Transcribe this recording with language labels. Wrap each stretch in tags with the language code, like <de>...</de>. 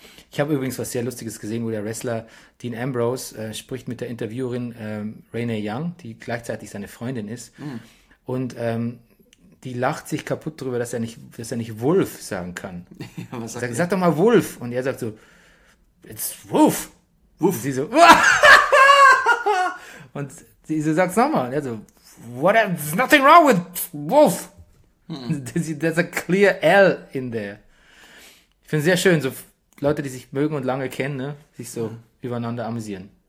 <de>Ich habe übrigens was sehr Lustiges gesehen, wo der Wrestler Dean Ambrose spricht mit der Interviewerin Renee Young, die gleichzeitig seine Freundin ist. Mm. Und die lacht sich kaputt darüber, dass er nicht Wolf sagen kann. Ja, was sagt er? Sag doch mal Wolf. Und er sagt so,</de> <en>it's Wolf.</en> <de>Wolf. Und sie so, und sie so, sag's nochmal. Und er so,</de> <en>there's nothing wrong with Wolf. There's a clear L in there.</en> <de>Ich finde es sehr schön, so Leute, die sich mögen und lange kennen, ne? Sich so übereinander amüsieren.</de>